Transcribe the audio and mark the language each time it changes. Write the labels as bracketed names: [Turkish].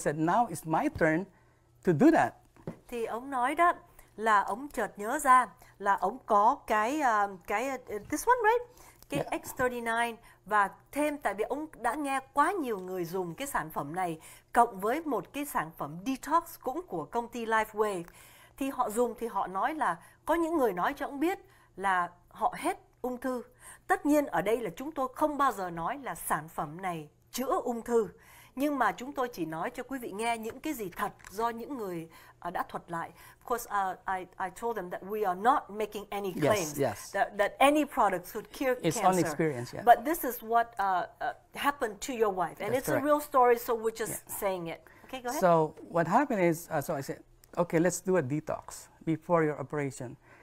[English] I said, now it's my turn to do that. [Vietnamese] Thì ông nói đó là ông chợt nhớ ra là ông có [English] this one, right? [Vietnamese] Cái yeah. X39, và thêm tại vì ông đã nghe quá nhiều người dùng cái sản phẩm này, cộng với một cái sản phẩm detox cũng của công ty LifeWay. Thì họ dùng thì họ nói là có những người nói cho ông biết là họ hết ung thư. Tất nhiên ở đây là chúng tôi không bao giờ nói là sản phẩm này chữa ung thư. Nhưng mà chúng tôi chỉ nói cho quý vị nghe những cái gì thật do những người đã thuật lại. [English] Of course, I told them that we are not making any claims. Yes, yes. That any products would cure it's cancer. It's on experience, yeah. But this is what happened to your wife. And That's it's correct. A real story, so we're just saying it. Okay, go ahead. So what happened is, so I said, okay, let's do a detox before your operation.